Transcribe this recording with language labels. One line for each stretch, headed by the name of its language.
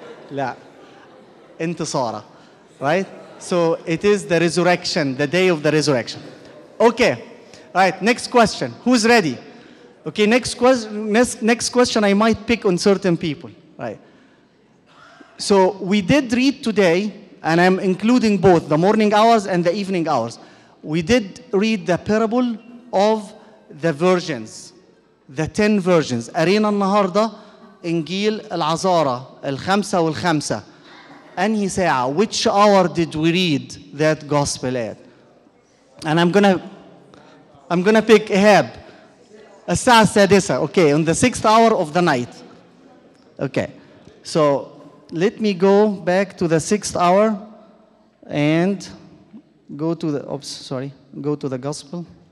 Arabic: لا انتصاره
English: right so it is the resurrection the day of the resurrection okay right next question who's ready okay next question I might pick on certain people right So we did read today, and I'm including both, the morning hours and the evening hours. We did read the parable of the virgins, the 10 virgins.
Arabic: أرينا النهاردة إنجيل العذارة الخمسة والخمسة. أنهي ساعة?
English: Which hour did we read that gospel at? And I'm gonna pick Ahab.
Arabic: الساعة السادسة,
English: okay, on the sixth hour of the night. Okay, so... Let me go back to the sixth hour and go to the, oops, sorry, go to the gospel.